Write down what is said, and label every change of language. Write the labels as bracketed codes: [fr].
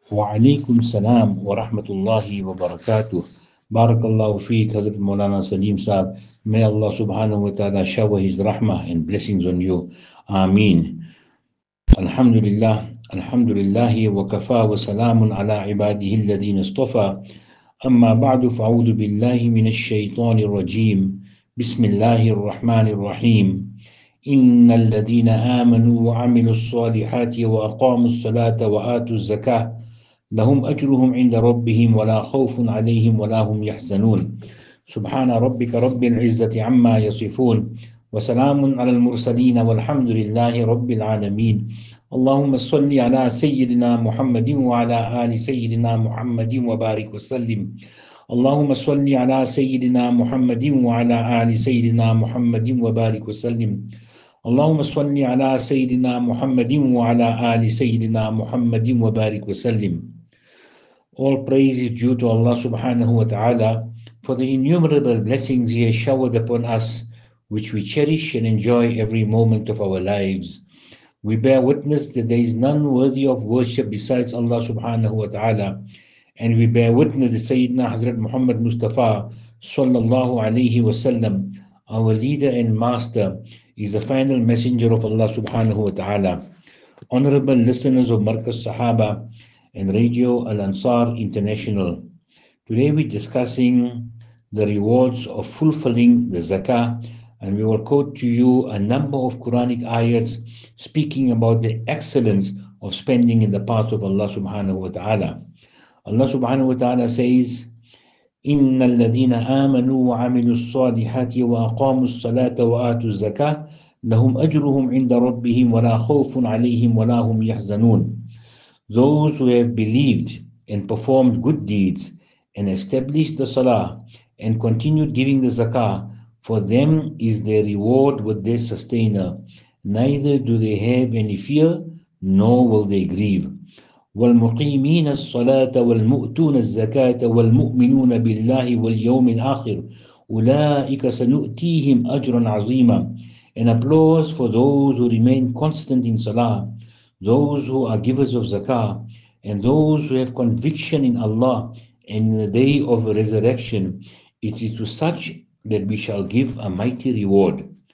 [ar] وعليكم السلام ورحمة الله وبركاته. بارك الله فيك حضرت مولانا سليم صاحب. [en] May Allah subhanahu wa ta'ala shower his rahmah and blessings on you. [ar] آمين. الحمد لله الحمد لله وكفى وسلام على عباده الذين اصطفى. أما بعد فأعوذ بالله من الشيطان الرجيم. بسم الله الرحمن الرحيم. إن الذين آمنوا وعملوا الصالحات وأقاموا الصلاة وآتوا الزكاة لهم أجرهم عند ربهم ولا خوف عليهم ولا هم يحزنون. سبحان ربك رب العزة عما يصفون وسلام على المرسلين والحمد لله رب العالمين. اللهم صل على سيدنا محمد وعلى آل سيدنا محمد وبارك وسلم. اللهم صل على سيدنا محمد وعلى آل سيدنا محمد وبارك وسلم. اللهم صل على سيدنا محمد وعلى آل سيدنا محمد وبارك وسلم. [en] All praise is due to Allah subhanahu wa ta'ala for the innumerable blessings He has showered upon us, which we cherish and enjoy every moment of our lives. We bear witness that there is none worthy of worship besides Allah subhanahu wa ta'ala, and we bear witness that Sayyidina Hazrat Muhammad Mustafa sallallahu alayhi wa sallam, our leader and master, is the final messenger of Allah subhanahu wa ta'ala. Honorable listeners of Markaz Sahaba and Radio Al-Ansar International, today we're discussing the rewards of fulfilling the zakah, and we will quote to you a number of Quranic ayats speaking about the excellence of spending in the path of Allah subhanahu wa ta'ala. Allah subhanahu wa ta'ala says, [ar] إِنَّ الَّذِينَ آمَنُوا وَعَمِلُوا الصَّالِحَاتِ وَأَقَامُوا الصَّلَاةَ وَآتُوا الزَّكَاةَ لَهُمْ أَجْرُهُمْ عِنْدَ رَبِّهِمْ وَلَا خَوْفٌ عَلَيْهِمْ وَلَا هُمْ يَحْزَنُونَ. [en] Those who have believed and performed good deeds and established the salah and continued giving the zakah, for them is their reward with their sustainer. Neither do they have any fear, nor will they grieve. [ar] والمقيمين الصلاة والمؤتون الزكاة والمؤمنون بالله واليوم الآخر أولئك سنؤتيهم أجرا عظيما. [en] An applause for those who remain constant in salah, those who are givers of zakah, and those who have conviction in Allah and in the day of resurrection. It is to such that we shall give a mighty reward.